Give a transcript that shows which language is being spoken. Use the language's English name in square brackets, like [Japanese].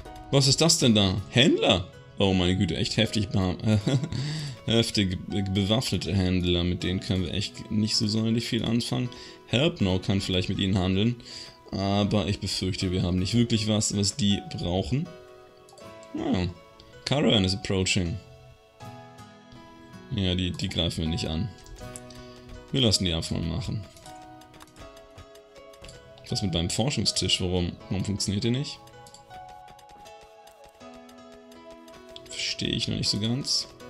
[German] Was ist das denn da? Händler? Oh meine Güte, echt heftig heftige bewaffnete Händler. Mit denen können wir echt nicht so sonderlich viel anfangen. Help Now kann vielleicht mit ihnen handeln. Aber ich befürchte, wir haben nicht wirklich was, was die brauchen. [English] Ja, Caravan is approaching. [German] Ja, die greifen wir nicht an. Wir lassen die einfach mal machen. Was mit meinem Forschungstisch? Warum funktioniert der nicht? Stehe ich noch nicht so ganz.